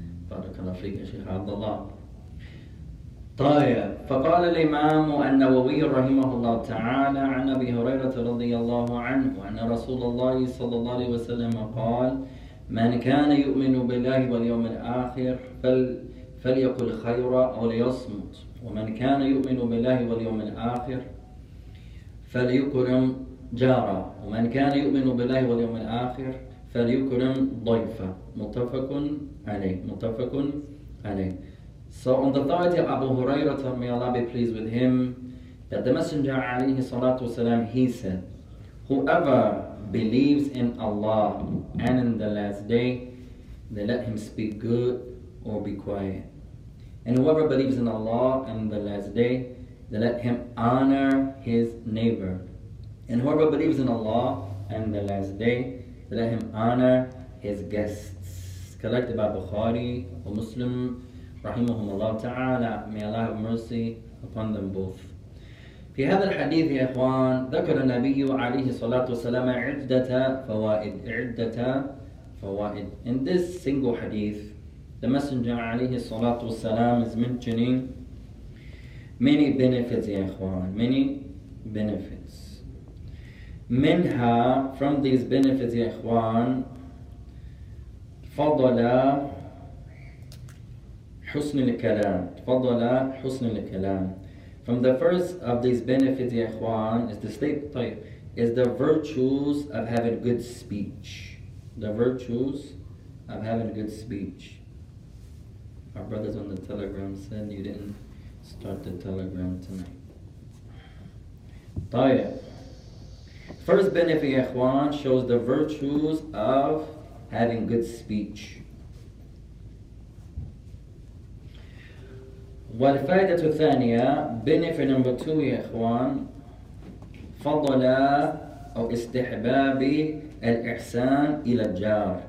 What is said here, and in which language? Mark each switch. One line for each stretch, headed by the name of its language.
Arabic: بارك الله فيك يا شيخ عبد الله. طيب، فقال الإمام النووي رحمه الله تعالى عن أبي هريرة رضي الله عنه أن رسول الله صلى الله عليه وسلم قال من كان يؤمن بالله واليوم الآخر فليقل خيرا أو ليصمت، ومن كان يؤمن بالله واليوم الآخر فليكرم جارا، ومن كان يؤمن بالله واليوم الآخر فليكرم ضيفا. متفق عليه.
English: So on the authority of Abu Hurairah, may Allah be pleased with him, that the Messenger
Arabic: alayhi salatu wasalam,
English: he said, whoever believes in Allah and in the last day, then let him speak good or be quiet. And whoever believes in Allah and the last day, then let him honor his neighbor. And whoever believes in Allah and the last day, then let him honor his guests. Collected by Bukhari or Muslim,
Arabic: رحمهم الله تعالى.
English: May Allah have mercy upon them both.
Arabic: في هذا الحديث يا إخوان ذكر النبي عليه الصلاة والسلام عدة فوائد.
English: In this single hadith, the Messenger
Arabic: عليه الصلاة والسلام
English: is mentioning many benefits
Arabic: يا إخوان.
English: Many benefits.
Arabic: منها
English: from these benefits
Arabic: يا إخوان فضل حسن الكلام. تفضل حسن الكلام.
English: From the first of these benefits,
Arabic: يا إخوان,
English: is the state
Arabic: طيب,
English: is the virtues of having good speech. The virtues of having good speech. Our brothers on the telegram said you didn't start the telegram tonight.
Arabic: طيب.
English: First benefit,
Arabic: يا إخوان,
English: shows the virtues of having good speech.
Arabic: والفائدة الثانية
English: benefit number two
Arabic: يا إخوان فضل أو استحباب الإحسان إلى الجار.